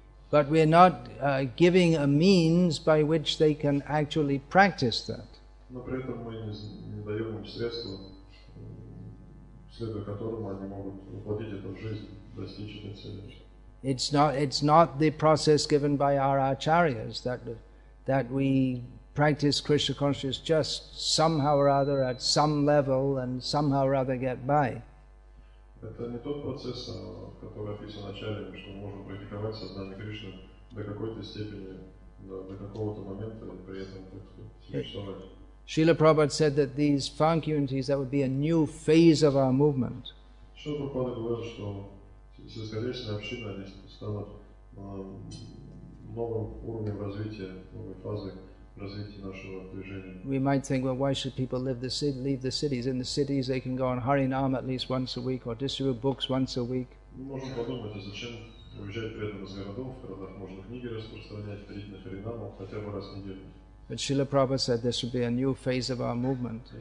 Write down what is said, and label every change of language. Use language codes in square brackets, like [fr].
[en] But we're not giving a means by which they can actually practice that. [ru] Но при этом мы не даем им средства, следуя которому они могут воплотить это в жизнь, достичь этой цели. [en] It's not the process given by our acharyas that we practice Krishna consciousness just somehow or other at some level and somehow or other get by. [ru] Это не тот процесс, который описан ачарьями, что мы можем практиковать сознание Кришны до какой-то степени, до какого-то момента, и при этом существовать. [en] Srila Prabhupada said that these farm communities, that would be a new phase of our movement. [ru] Srila Prabhupada говорил, что сельскохозяйственные общины станут новым уровнем развития, новой фазой развития нашего движения. [en] We might think, well, why should people leave the cities? In the cities they can go on Harinam at least once a week or distribute books once a week. [ru] Мы можем подумать, зачем уезжать при этом из городов, в городах можно книги распространять, ходить на Харинам хотя бы раз в неделю. [en] But Srila Prabhupada said this would be a new phase of our movement.